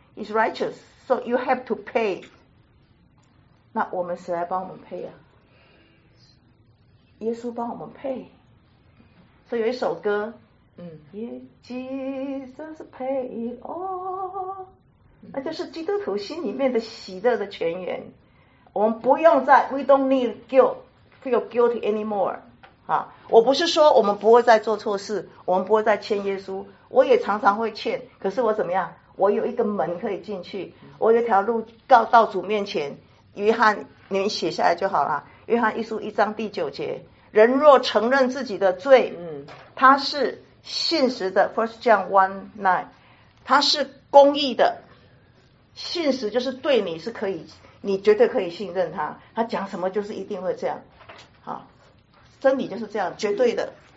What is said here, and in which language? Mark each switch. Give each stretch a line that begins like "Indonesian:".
English: He's righteous, so you have to pay.
Chinese: 那我们谁来帮我们pay啊？耶稣帮我们pay。所以有一首歌，
English: Jesus paid all.
Chinese: 那就是基督徒心里面的喜乐的泉源。我们不用再
English: we don't need guilt, feel guilty anymore.
Chinese: 我不是说我们不会再做错事，我们不会再欠耶稣，我也常常会欠，可是我怎么样，我有一个门可以进去，我有一条路告到主面前。约翰，你们写下来就好了，约翰一书一章第九节，人若承认自己的罪，他是信实的， 1 John 1:9, 他是公义的，信实就是对你是可以，你绝对可以信任他，他讲什么就是一定会这样，真理就是这样，绝对的。